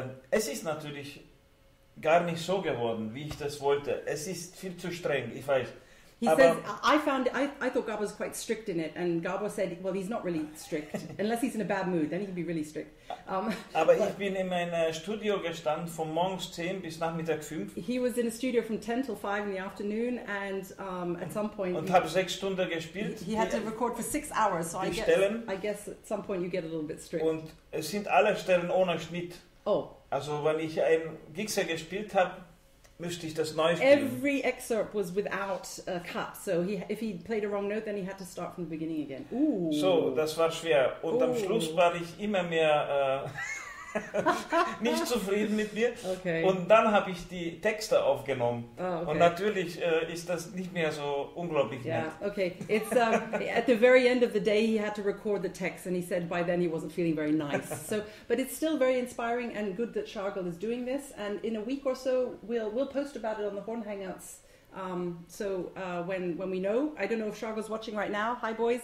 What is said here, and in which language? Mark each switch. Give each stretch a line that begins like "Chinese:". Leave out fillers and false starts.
German: Es ist natürlich gar nicht so geworden, wie ich das wollte. Es ist viel zu streng. Ich weiß.
English: He says, I thought Gabor was quite strict in it, and Gabor said, well, he's not really strict, unless he's in a bad mood, then he'd be really strict.
German: Aber ich bin in meinem Studio gestanden von morgens 10 bis nachmittags 5.
English: He was in a studio from 10 till 5 in the afternoon, and at some point...
German: Und habe 6 Stunden gespielt.
English: He had to record for 6 hours, so I guess at some point you get a little bit strict.
German: Und es sind alle Stellen ohne Schnitt. Oh. Also wenn ich ein Gigser gespielt habe, müsste ich das neu spielen.
English: Every excerpt was without a cut, so if he played a wrong note, then he had to start from the beginning again. Ooh.
German: So, das war schwer. Und Ooh. Am Schluss war ich immer mehr nicht zufrieden mit mir.
English: Okay.
German: Und dann habe ich die Texte aufgenommen.
English: Oh, okay.
German: Und natürlich ist das nicht mehr so unglaublich.
English: Yeah. Okay. It's at the very end of the day, he had to record the text, and he said by then he wasn't feeling very nice. So, but it's still very inspiring and good that Shargel is doing this. And in a week or so, we'll post about it on the Horn Hangouts. When we know, I don't know if Shargel's watching right now. Hi, boys.